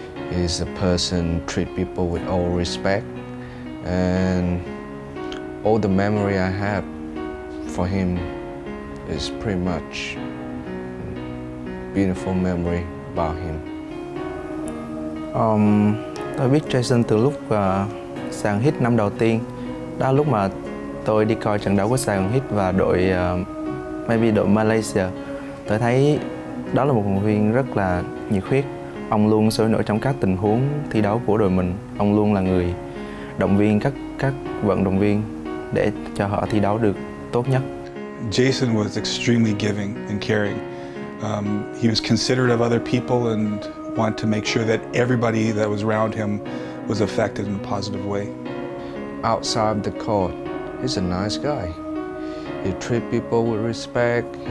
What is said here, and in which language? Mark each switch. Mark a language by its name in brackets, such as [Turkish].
[English] He's a person treat people with all respect, and all the memory I have for him is pretty much beautiful memory about him. [Vietnamese] Tôi biết Jason từ lúc Saigon Heat năm đầu tiên. Đó lúc mà tôi đi coi trận đấu của Saigon Heat và đội maybe đội Malaysia. Tôi thấy đó là một huấn luyện viên rất là nhiệt huyết. Ông luôn sôi nổi trong các tình huống thi đấu của đội mình. Ông luôn là người động viên các vận động viên để cho họ thi đấu được tốt nhất. [English] Jason was extremely giving and caring. He was considerate of other people and wanted to make sure that everybody that was around him was affected in a positive way. Outside the court, he's a nice guy. He treat people with respect.